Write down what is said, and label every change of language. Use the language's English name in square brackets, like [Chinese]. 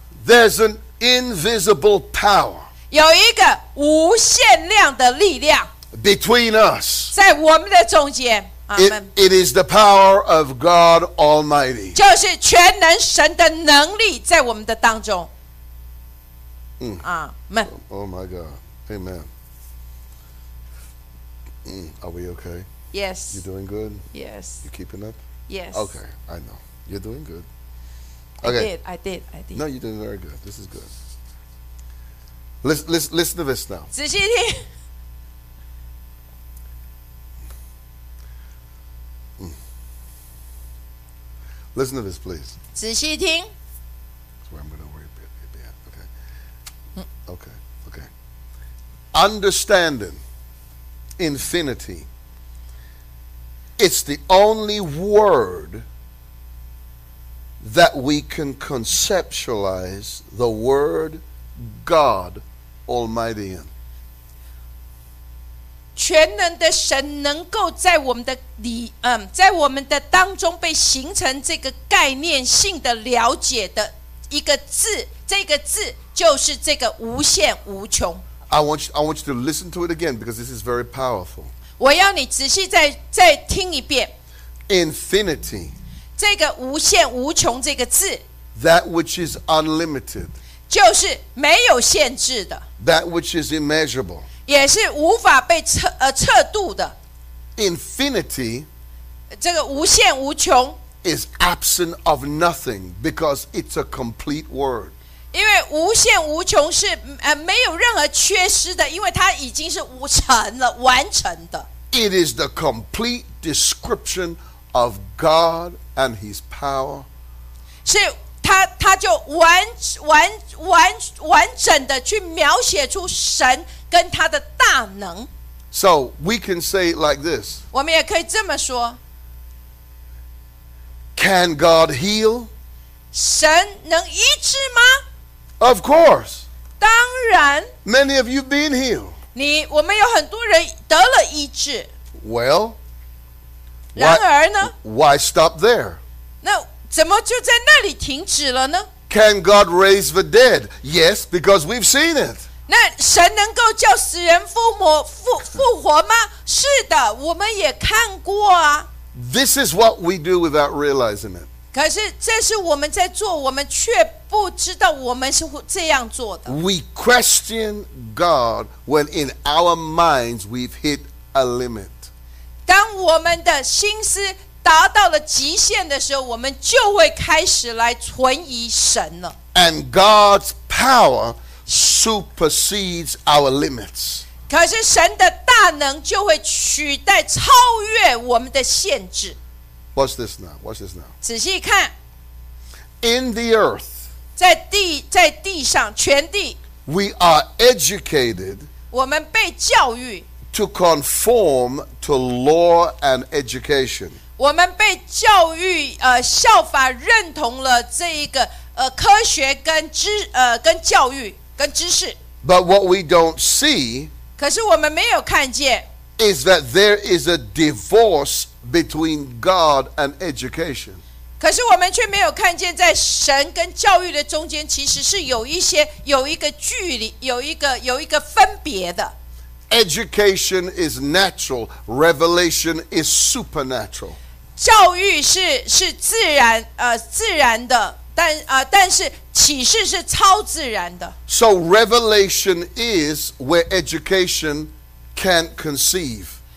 [English] There's an invisible power. [Chinese] 有一个无限量的力量 [English] Between us [Chinese] 在我们的中间 [English] It is the power of God Almighty [Chinese] 就是全能神的能力在我们的当中、Amen [English] Oh my God, Amen、Are we okay? Yes You're doing good? Yes You keeping up? Yes Okay, I know You're doing good、 okay. I did No, you're doing very good, this is goodListen to this now. [Chinese] 仔细听。 [English] Listen to this, please. [Chinese] 仔细听。 [English] That's where I'm going to worry a bit. Okay. Okay. Understanding infinity. It's the only word that we can conceptualize the word God. Almighty in. [Chinese] 全能的神能够在我们的在我们的当中被形成这个概念性的了解的一个字，这个字就是这个无限无穷。 [English] I want you to listen to it again because this is very powerful. [Chinese] 我要你仔细再听一遍。 [English] Infinity. [Chinese] 这个无限无穷这个字。 [English] That which is unlimited. [Chinese] 就是没有限制的 [English] That which is immeasurable [Chinese] 也是无法被测度的 [English] Infinity [Chinese] 这个无限无穷 [English] Is absent of nothing Because it's a complete word [Chinese] 因为无限无穷是没有任何缺失的因为它已经是成了完成的 [English] It is the complete description of God and His power [Chinese] 是他就完整的去描写出神跟他的大能。 [English] So we can say it like this. [Chinese] 我们也可以这么说。 [English] Can God heal? [Chinese] 神能医治吗 [English] ？Of course. [Chinese] 当然。 [English] Many of you've been healed. [Chinese] 我们有很多人得了医治。 [English] Well. [Chinese] 然而呢 [English] ？Why stop there? [Chinese] 那。怎么就在那里停止了呢 [English] Can God raise the dead? Yes, because we've seen it. [Chinese] 那神能够叫死人复活吗？是的，我们也看过啊。 [English] This is what we do without realizing it. [Chinese] 可是这是我们在做，我们却不知道我们是这样做的。 [English] We question God when in our minds we've hit a limit. [Chinese] 当我们的心思达到了极限的时候，我们就会开始来存疑神了。 [English] And God's power supersedes our limits. [Chinese] 可是神的大能就会取代超越我们的限制。 [English] Watch this now. [Chinese] 仔细看。 [English] In the earth, [Chinese] 在地上，全地。 [English] We are educated. [Chinese] 我们被教育。 [English] To conform to law and education. [Chinese] 我们被教育效法认同了这一个科学跟教育跟知识。 [English] But what we don't see, [Chinese] 可是我们没有看见 [English] is that there is a divorce between God and education. [Chinese] 可是我们却没有看见在神跟教育的中间其实是有一个分别的。 [English] Education is natural, revelation is supernatural. [Chinese] 教育 是自然的 但是启示是超自然的。 [English] So revelation is where education can't conceive.